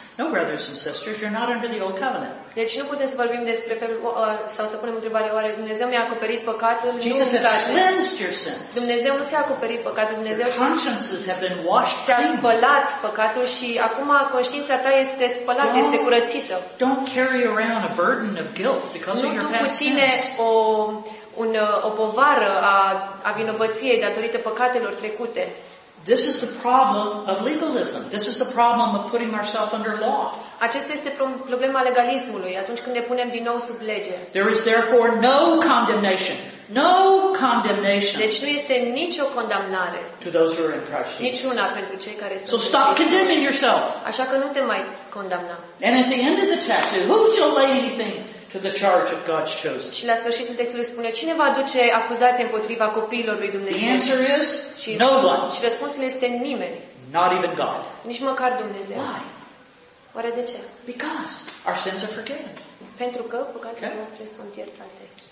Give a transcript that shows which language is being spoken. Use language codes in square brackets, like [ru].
[en] No, brothers and sisters, you're not under the old covenant. [ro] Deci nu putem să vorbim despre sau să punem întrebarea, oare Dumnezeu mi-a acoperit păcatul? [en] Jesus has cleansed your sins. [ro] Dumnezeu nu ți-a acoperit păcatul. Dumnezeu [en] your consciences have been washed clean. [ro] Ți-a spălat păcatul și acum conștiința ta este spălată, este curățită. [en] Don't carry around a burden of guilt because of your past sins. [ro] Nu duc cu tine o povară a vinovăției datorită păcatelor trecute. [en] This is the problem of legalism. This is the problem of putting ourselves under law. [ro] Acesta este problema legalismului, atunci când ne punem din nou sub lege. [en] There is therefore no condemnation. No condemnation. [ro] Deci nu este nicio condamnare. [en] To those who are in Christ Jesus. [ro] Niciuna pentru cei care sunt. [en] So stop condemning yourself. [ro] Așa că nu te mai condamna. [en] And at the end of the text, who shall lay anything to the charge of God's chosen? [ro] Și la sfârșitul textului spune, cine va aduce acuzație împotriva copiilor lui Dumnezeu? [en] The answer is no one. [ro] Și răspunsul este nimeni. [en] Not even God. [ro] Nici măcar Dumnezeu. [en] Why? [ro] Oare de ce? [en] Because our sins are forgiven. [ro] Pentru că păcatele noastre sunt iertate.